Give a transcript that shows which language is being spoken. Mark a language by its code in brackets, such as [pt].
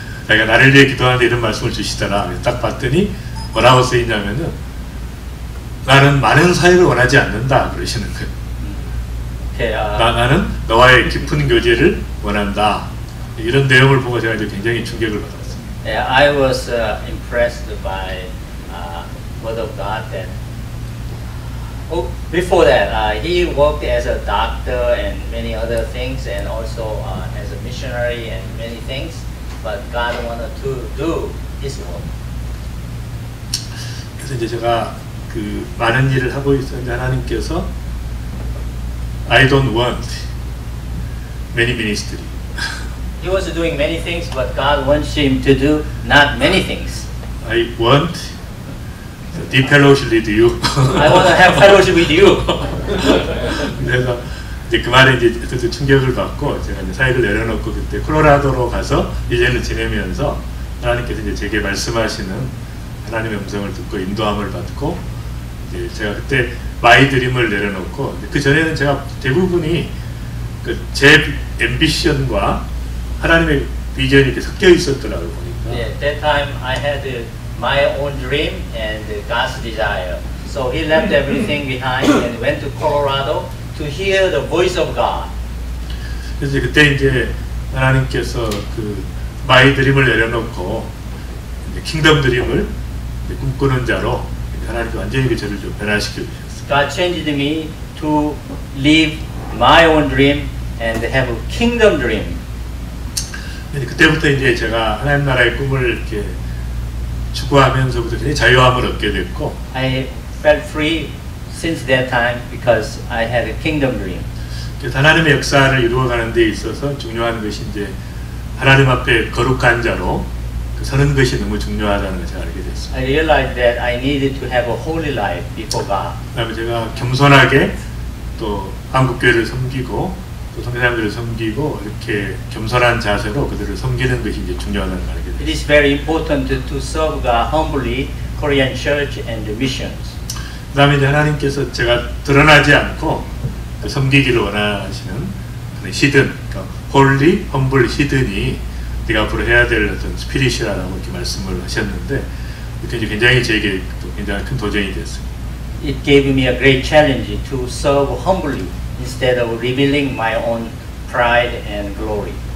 [ko] 내가 나를 위해 기도하는데 이런 말씀을 주시더라. 딱 봤더니 뭐라고 써 있냐면은 나는 많은 사역을 원하지 않는다 그러시는 거예요. 나는 너와의 깊은 교제를 원한다. 이런 내용을 보고 제가 이제 굉장히 충격을 받았습니다. [en] Yeah, I was impressed by word of God that before that he worked as a doctor and many other things and also as a missionary and many things, but God wanted to do his work. [ko] 그래서 이제 제가 그 많은 일을 하고 있었는데 하나님께서 [en] I don't want many ministry. He was doing many things, but God wants him to do not many things. I want a deep fellowship with you. I want to have fellowship with you. [ko] 그래서 이제 그 말에 이제 또 충격을 받고 제가 이제 사역을 내려놓고 그때 콜로라도로 가서 1년을 지내면서 하나님께서 이제 제게 말씀하시는 하나님의 음성을 듣고 인도함을 받고 이제 제가 그때 마이 드림을 내려놓고 그 전에는 제가 대부분이 그 제 앰비션과 하나님의 비전이 섞여 있었더라고 보니까. [en] Yeah, that time I had my own dream and God's desire. So he left everything behind and went to Colorado to hear the voice of God. [ko] 그래서 그때 이제 하나님께서 그 마이 드림을 내려놓고 이제 킹덤 드림을 이제 꿈꾸는 자로 하나님께 완전히 그 저를 좀 변화시켜 주셨어요. [en] God changed me to live my own dream and have a kingdom dream. [ko] 그때부터 이제 제가 하나님 나라의 꿈을 이렇게 추구하면서부터 굉장히 자유함을 얻게 됐고 [en] I felt free since that time because I had a kingdom dream. [ko] 하나님의 역사를 이루어가는 데 있어서 중요한 것이 이제 하나님 앞에 거룩한 자로 서는 것이 너무 중요하다는 걸 제가 알게 됐습니다. [en] I realized that I needed to have a holy life before God. [ko] 그다음에 제가 겸손하게 또 한국교회를 섬기고 또 성교사님들을 섬기고 이렇게 겸손한 자세로 그들을 섬기는 것이 이제 중요하다는 걸 알게 됐습니다. [en] It is very important to serve God humbly, Korean church and missions. [ko] 그다음에 이제 하나님께서 제가 드러나지 않고 그 섬기기를 원하시는 그런 히든, 그러니까 홀리, 험블 히든이 네가 앞으로 해야 될 어떤 스피릿이라고 이렇게 말씀을 하셨는데 그게 굉장히 제게 굉장히 큰 도전이 됐어요. [en] It gave me a great challenge to serve humbly instead of revealing my own pride and glory.